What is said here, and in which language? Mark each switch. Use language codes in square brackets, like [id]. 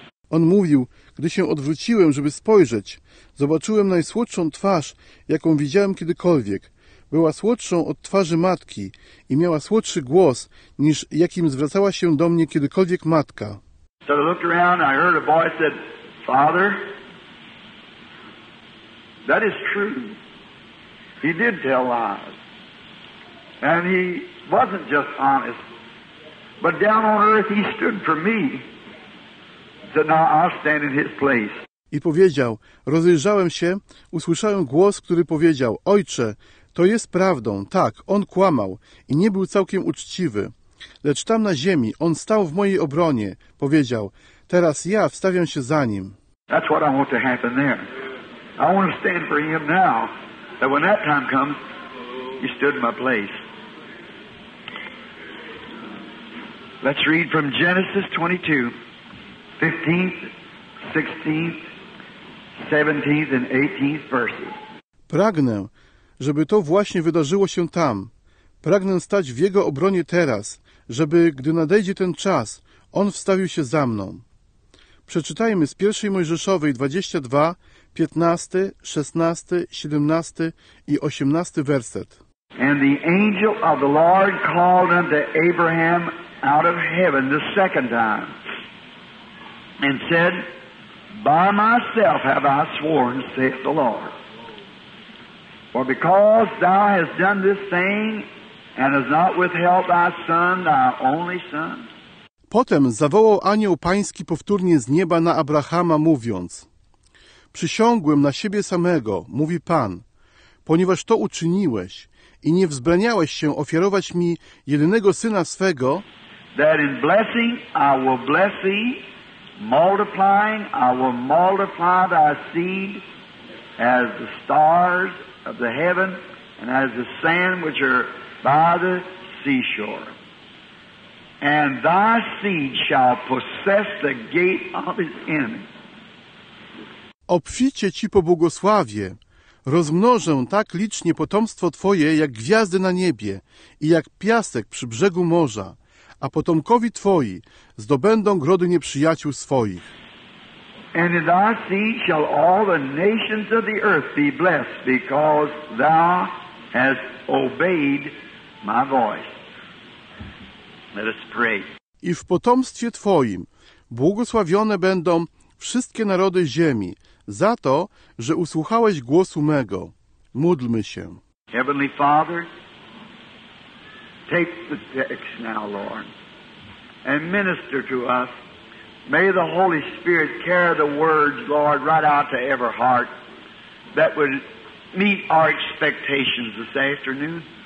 [pl] On mówił, gdy się odwróciłem, żeby spojrzeć, zobaczyłem najsłodszą twarz, jaką widziałem kiedykolwiek. Była słodszą od twarzy matki i miała słodszy głos, niż jakim zwracała się do mnie kiedykolwiek matka. [en] So I looked around and I heard a voice said, Father, that is true. He did tell lies. And he wasn't just honest. But down on earth he stood for me. So now I stand in his place. [pl] I powiedział, rozejrzałem się, usłyszałem głos, który powiedział, Ojcze, to jest prawdą, tak, on kłamał i nie był całkiem uczciwy. Lecz tam na ziemi on stał w mojej obronie, powiedział, teraz ja wstawiam się za nim. [en] That's what I want to happen there. I want to stand for him now, that when that time comes, he stood in my place. Let's read from Genesis 22, 15th, 16th, 17th and 18th verses. [pl] Pragnę, żeby to właśnie wydarzyło się tam. Pragnę stać w jego obronie teraz, żeby, gdy nadejdzie ten czas, on wstawił się za mną. Przeczytajmy z 1 Mojżeszowej 22, 15, 16, 17 i 18 werset. [en] And the angel of the Lord called unto Abraham out of heaven the second time and said, By myself have I sworn, saith the Lord. For because thou hast done this thing, and hast not withheld thy son, thy only son. [pl] Potem zawołał anioł pański powtórnie z nieba na Abrahama, mówiąc, Przysiągłem na siebie samego, mówi Pan, ponieważ to uczyniłeś i nie wzbraniałeś się ofiarować mi jedynego syna swego, [en] that in blessing I will bless thee, multiplying I will multiply thy seed as the stars of the heaven, and as the sand which are by the seashore. And thy seed shall possess the gate of his enemies. [pl] Obficie ci pobłogosławię. Rozmnożę tak licznie potomstwo Twoje, jak gwiazdy na niebie i jak piasek przy brzegu morza, a potomkowi Twoi zdobędą grody nieprzyjaciół swoich. [en] And in thy seed shall all the nations of the earth be blessed, because thou hast obeyed my voice. Let us pray. [pl] I w potomstwie Twoim błogosławione będą wszystkie narody ziemi, za to, że usłuchałeś głosu mego. Módlmy się. [en] Heavenly Father, take the text now, Lord, and minister to us. May the Holy Spirit carry the words, Lord, right out to every heart that would meet our expectations this afternoon.